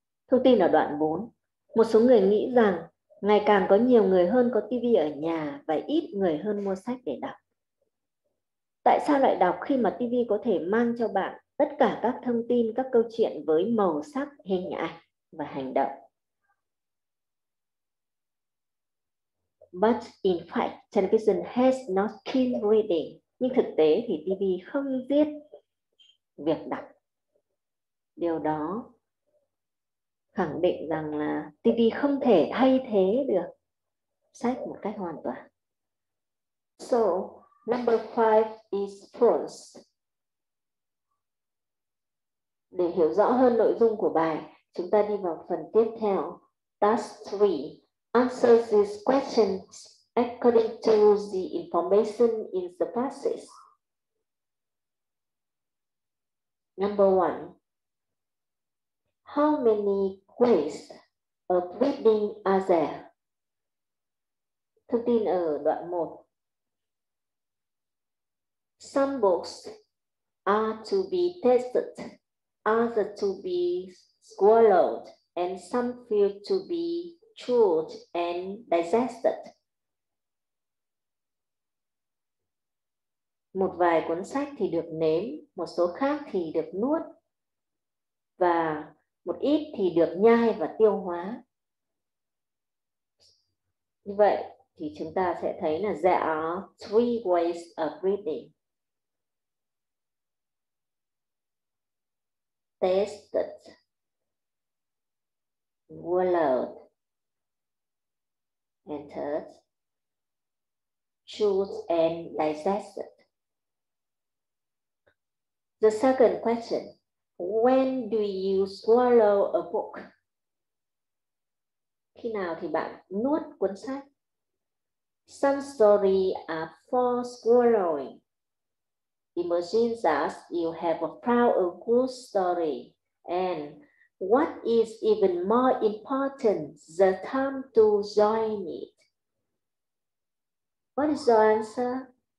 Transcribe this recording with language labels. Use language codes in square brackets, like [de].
[vi] Thông tin ở đoạn 4, một số người nghĩ rằng ngày càng có nhiều người hơn có TV ở nhà và ít người hơn mua sách để đọc. Tại sao lại đọc khi mà TV có thể mang cho bạn tất cả các thông tin, các câu chuyện với màu sắc, hình ảnh và hành động? [en] But in fact, television has not killed reading. [vi] Nhưng thực tế thì TV không giết việc đọc. Điều đó khẳng định rằng là TV không thể thay thế được sách một cách hoàn toàn. [en] So, number 5 is false. [vi] Để hiểu rõ hơn nội dung của bài, chúng ta đi vào phần tiếp theo. [en] Task 3. Answer these questions according to the information in the passage. Number one, how many ways of reading are there? [vi] Thông tin ở đoạn 1. [en] Some books are to be tested, others to be swallowed, and some feel to be chewed and digested. [vi] Một vài cuốn sách thì được nếm, một số khác thì được nuốt, và một ít thì được nhai và tiêu hóa. Như vậy thì chúng ta sẽ thấy là [en] there are three ways of reading. Tasted, swallowed, and third, chewed and digested. The second question, when do you swallow a book? [vi] Khi nào thì bạn nuốt cuốn sách? [en] Some stories are for swallowing. Imagine that you have found a good story. And what is even more important, the time to join it. What is your answer?